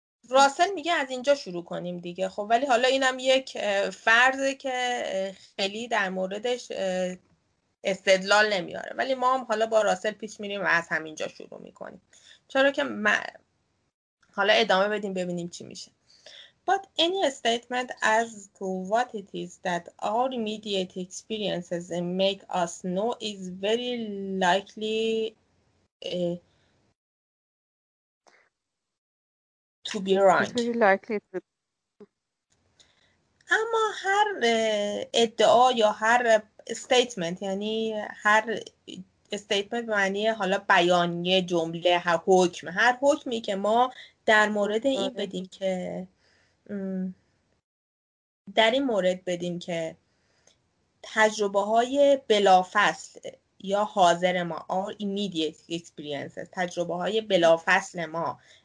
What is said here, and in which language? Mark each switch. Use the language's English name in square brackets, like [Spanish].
[Persian] راسل میگه از اینجا شروع کنیم دیگه. خب ولی حالا اینم یک فرضه که خیلی در موردش استدلال نمیاره، ولی ما هم حالا با راسل پیش میریم و از همینجا شروع میکنیم، چرا که حالا ادامه بدیم ببینیم چی میشه. [English] But any statement as to what it is that our immediate experiences make us know is very likely to be wrong. It's very likely to be. [Persian] اما هر ادعا یا هر statement، یعنی هر statement معنی حالا بیانیه، جمله، هر حکم، هر حکمی که ما در مورد این بدیم که در این مورد بدیم که تجربه های بلافصل یا حاضر ما، [English] our immediate experiences، [Persian] تجربه های بلافصل ما